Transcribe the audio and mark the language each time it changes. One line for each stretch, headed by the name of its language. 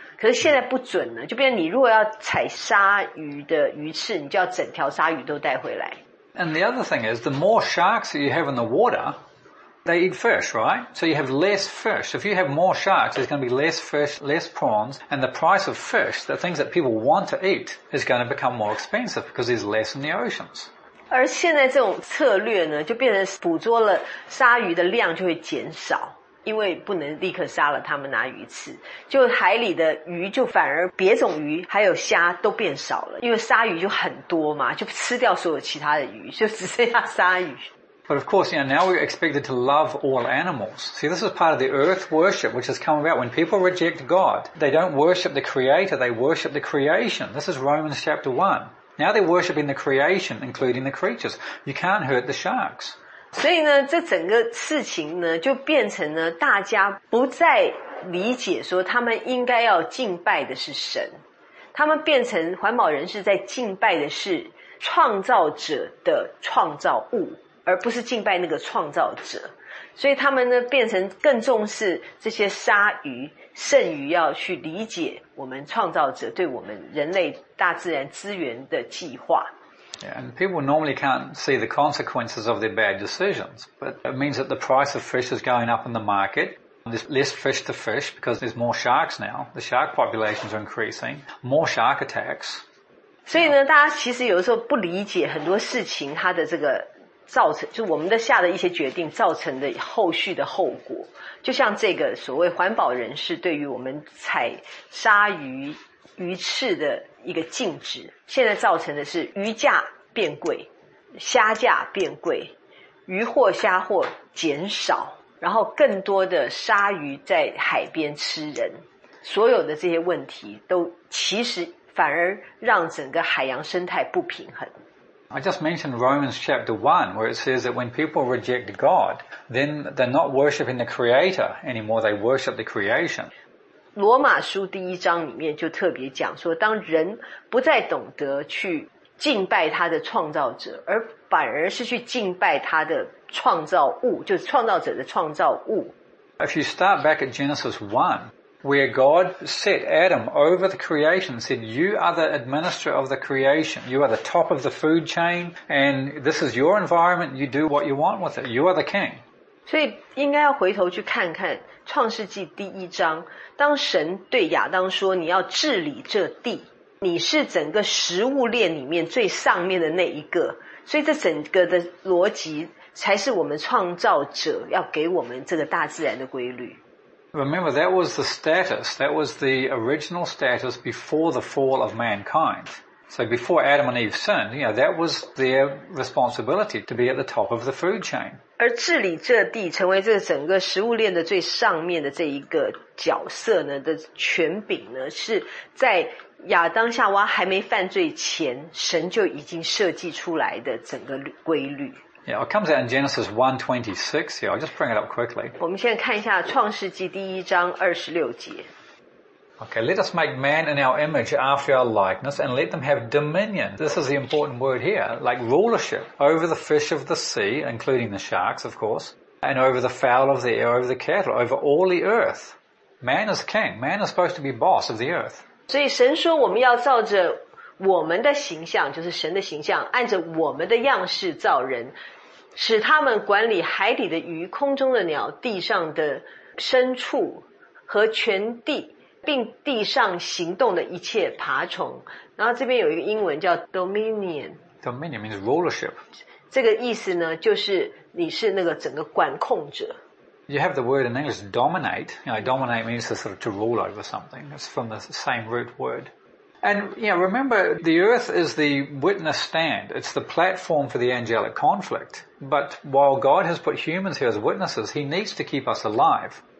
Chinese: 可是现在不准了，就变成你如果要采鲨鱼的鱼翅，你就要整条鲨鱼都带回来。
English: And the other thing is, the more sharks you have in the water, they eat fish, right? So you have less fish. If you have more sharks, there's going to be less fish, less prawns, and the price of fish, the things that people want to eat, is going to become more expensive because there's less in the oceans.
Chinese: 而现在这种策略呢，就变成捕捉了鲨鱼的量就会减少，因为不能立刻杀了他们拿鱼刺，就海里的鱼就反而别种鱼还有虾都变少了，因为鲨鱼就很多嘛，就吃掉所有其他的鱼，就只剩下鲨鱼。
English: But of course, you know, now we're expected to love all animals. See, this is part of the earth worship, which has come about when people reject God. They don't worship the creator, they worship the creation. This is Romans chapter 1. Now they're worshiping the creation, including the creatures. You can't hurt the sharks.
Chinese: 所以呢，这整个事情呢，就变成呢，大家不再理解说他们应该要敬拜的是神。他们变成环保人士在敬拜的是创造者的创造物。而不是敬拜那个创造者，所以他们呢变成更重视这些鲨鱼，剩余要去理解我们创造者对我们人类大自然资源的计划。
English: Yeah, and people normally can't see the consequences of their bad decisions, but it means that the price of fish is going up in the market. There's less fish to fish because there's more sharks now. The shark populations are increasing. More shark attacks.
Chinese: 所以呢，大家其实有的时候不理解很多事情，它的这个。造成就我们的下的一些决定造成的后续的后果，就像这个所谓环保人士对于我们采鲨鱼鱼翅的一个禁止，现在造成的是鱼价变贵，虾价变贵，鱼获虾获减少，然后更多的鲨鱼在海边吃人，所有的这些问题都其实反而让整个海洋生态不平衡。
English: I just mentioned Romans chapter 1, where it says that when people reject God, then they're not worshipping the Creator anymore, they worship the creation.
Chinese: 罗马书第一章里面就特别讲说，当人不再懂得去敬拜他的创造者，而反而是去敬拜他的创造物，就是创造者的创造物。
English: If you start back at Genesis 1, where God set Adam over the creation, said, you are the administrator of the creation, you are the top of the food chain, and this is your environment, you do what you want with it, you are the king.
Chinese: 所以应该要回头去看看创世纪第一章，当神对亚当说你要治理这地，你是整个食物链里面最上面的那一个，所以这整个的逻辑才是我们创造者要给我们这个大自然的规律。
English: Remember, that was the status, that was the original status before the fall of mankind. So before Adam and Eve sinned, you know, that was their responsibility to be at the top of the food chain.
Chinese: 而治理这地成为这整个食物链的最上面的这一个角色呢的权柄呢，是在亚当夏娃还没犯罪前神就已经设计出来的整个规律。
English: Yeah, it comes out in Genesis 1:26 here. I'll just bring it up quickly.
Chinese: 我们现在看一下创世纪第一章26节。
English: Okay, let us make man in our image after our likeness and let them have dominion. This is the important word here, like rulership over the fish of the sea, including the sharks, of course, and over the fowl of the air, over the cattle, over all the earth. Man is king. Man is supposed to be boss of the earth.
Chinese: 所以神说我们要照着我们的形象，就是神的形象，按着我们的样式造人，使他们管理海底的鱼、空中的鸟、地上的牲畜和全地，并地上行动的一切爬虫。然后这边有一个英文叫 dominion。
English: dominion means rulership。
Chinese: 这个意思呢，就是你是那个整个管控者。
English: You have the word in English dominate. You know, dominate means to sort of to rule over something. It's from the same root word. And, you know, remember, the earth is the witness stand. It's the platform for the angelic conflict. But while God has put humans here as witnesses, he needs to keep us alive.